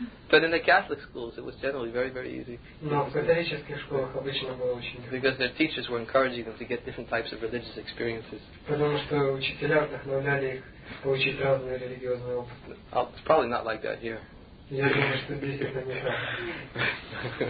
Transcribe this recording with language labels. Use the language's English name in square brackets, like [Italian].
[English] But in the Catholic schools, it was generally very, very easy. [Russian] No, в католических школах обычно было очень легко. [English] Because their teachers were encouraging them to get different types of religious experiences. [Russian] Потому что учителя вдохновляли их получить разные религиозные опыты. [English] It's probably not like that here. [Russian] Я думаю, что здесь это не так.